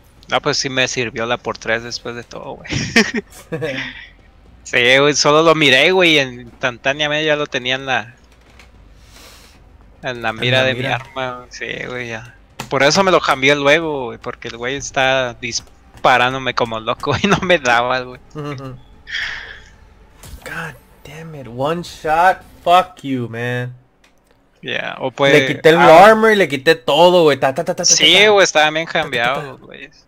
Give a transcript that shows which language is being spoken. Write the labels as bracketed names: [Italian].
[Spanish] Ah, pues sí me sirvió la por tres después de todo, güey. Sí, güey, solo lo miré, güey, y instantáneamente ya lo tenía en la mira de mi arma, güey. Sí, güey, ya. Por eso me lo cambié luego, güey, porque el güey está disparándome como loco y no me daba, güey. [English] God damn it, one shot, fuck you, man. [Spanish] Yeah, o puede... Le quité el armor y le quité todo, güey. Sí, güey, estaba bien cambiado, güey.